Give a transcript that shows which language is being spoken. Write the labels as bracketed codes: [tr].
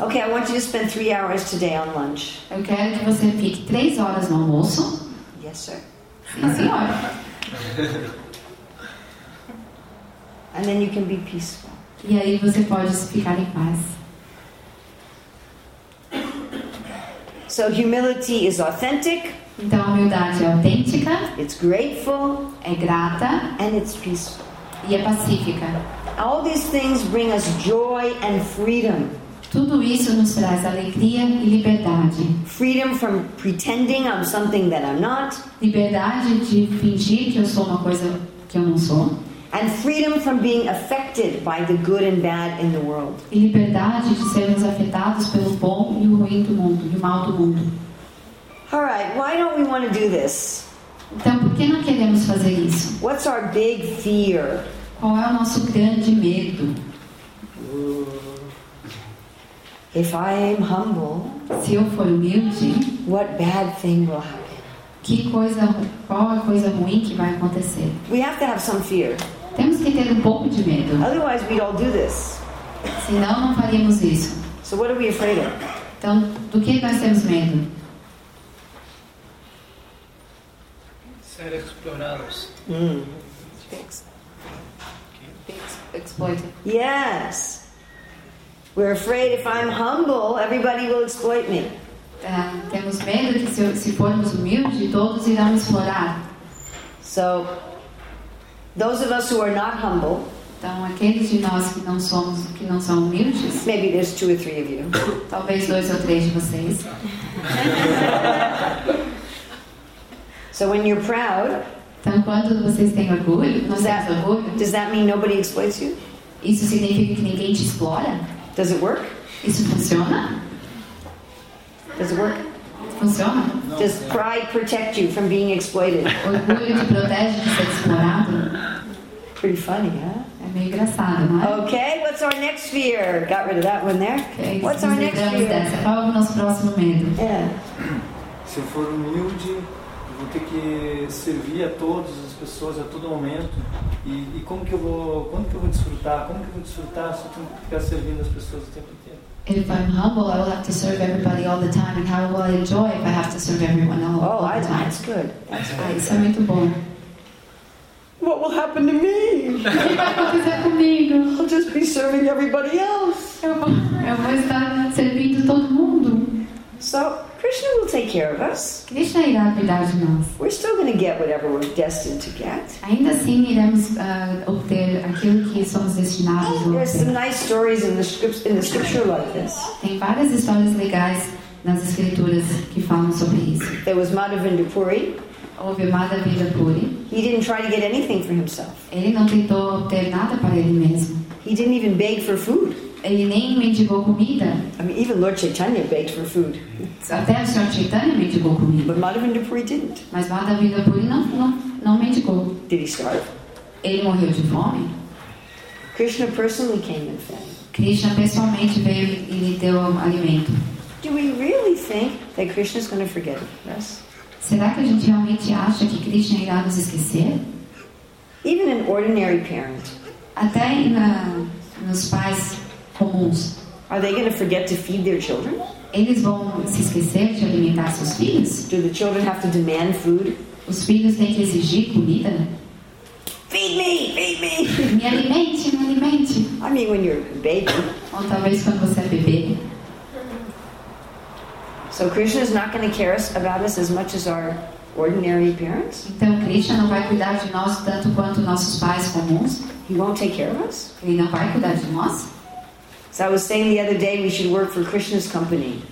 [en] okay, I want you to spend 3 hours today on lunch. [pt] Eu quero que você fique 3 horas no almoço. [en] Yes, sir. [pt] Sim, senhor. [en] And then you can be peaceful. [pt] E aí você pode ficar em paz. [en] So humility is authentic. [pt] Então a humildade é autêntica. [en] It's grateful. [pt] É grata. [en] And it's peaceful. [pt] E é pacífica. [en] All these things bring us joy and freedom. [pt] Tudo isso nos traz alegria e liberdade. [en] Freedom from pretending I'm something that I'm not. [pt] Liberdade de fingir que eu sou uma coisa que eu não sou. [en] And freedom from being affected by the good and bad in the world. [pt] E liberdade de sermos afetados pelo bom e o ruim do mundo, e o mal do mundo. [en] All right, why don't we want to do this? [pt] Então, por que não queremos fazer isso? [en] What's our big fear? [pt] Qual é o nosso grande medo? [en] If I am humble, [pt] se eu for humilde, [en] what bad thing will happen? [pt] Que coisa, qual a coisa ruim que vai acontecer? [en] We have to have some fear. [pt] Temos que ter um pouco de medo. [en] Otherwise, we'd all do this. [pt] Senão, não faríamos isso. [en] So what are we afraid of? [pt] Então, do que nós temos medo? Ser explorados. [en] Exploited. Yes. We're afraid if I'm humble, everybody will exploit me. [pt] Temos medo que se formos humildes, todos irão explorar. [en] So, those of us who are not humble, [pt] então aqueles de nós que não somos, que não são humildes, [en] maybe there's two or three of you. [pt] Talvez dois ou três de vocês. [en] So when you're proud, [pt] então quando vocês têm orgulho, [en] does that mean nobody exploits you? [pt] Isso significa que ninguém te explora? [en] Does it work? [pt] Isso funciona? [en] Does it work? [pt] Funciona. [en] Does pride protect you from being exploited? [pt] Orgulho te protege de ser explorado? [en] Pretty funny, huh? [pt] É meio engraçado, não é? [en] Okay, what's our next fear? Got rid of that one there. Okay, what's our next fear? [pt] Dessa. Qual é o nosso próximo medo? [en] Yeah. [pt] Se eu for humilde, vou ter que servir a todas as pessoas a todo momento. E como que eu vou, quando que eu vou desfrutar? Como que eu vou desfrutar se eu tenho que ficar servindo as pessoas o tempo inteiro? [en] If I'm humble, I will have to serve everybody all the time. And how will I enjoy if I have to serve everyone all the time? Oh, that's good. That's good. [pt] Isso é muito bom. [en] What will happen to me? I'll just be serving everybody else. [pt] Eu vou estar servindo todo mundo. [en] So, Krishna will take care of us. [pt] Krishna irá cuidar de nós. [en] We're still going to get whatever we're destined to get. [pt] Ainda assim iremos obter aquilo que somos destinados a obter. [en] There are some nice stories in the scripture like this. [pt] Tem várias histórias legais nas escrituras que falam sobre isso. [en] There was Madhavendra Puri. [pt] Houve Madhavendra Puri. [en] He didn't try to get anything for himself. [pt] Ele não tentou obter nada para ele mesmo. [en] He didn't even beg for food. [pt] Ele nem mendigou comida. [en] I mean, even Lord Chaitanya begged for food. [pt] Até o Sr. Chaitanya mendigou comida. [en] But Madhavendra Puri didn't. [pt] Mas Madhavendra Puri não mendigou. [en] Did he starve? [pt] Ele morreu de fome. [en] Krishna personally came and fed. [pt] Krishna pessoalmente veio e lhe deu alimento. [en] Do we really think that Krishna is going to forget us? [pt] Será que a gente realmente acha que Krishna irá nos esquecer? [en] Even an ordinary parent. [pt] Até nos pais. [en] Are they going to forget to feed their children? [pt] Eles vão se esquecer de alimentar seus filhos? [en] Do the children have to demand food? [pt] Os filhos têm que exigir comida? [en] Feed me! [pt] Me alimente! [en] I mean, when you're a baby. [pt] Ou talvez quando você é bebê. [en] So Krishna is not going to care about us as much as our ordinary parents? [pt] Então Krishna não vai cuidar de nós tanto quanto nossos pais comuns? [en] He won't take care of us? [pt] Ele não vai cuidar de nós? [en] So I was saying the other day we should work for Krishna's company.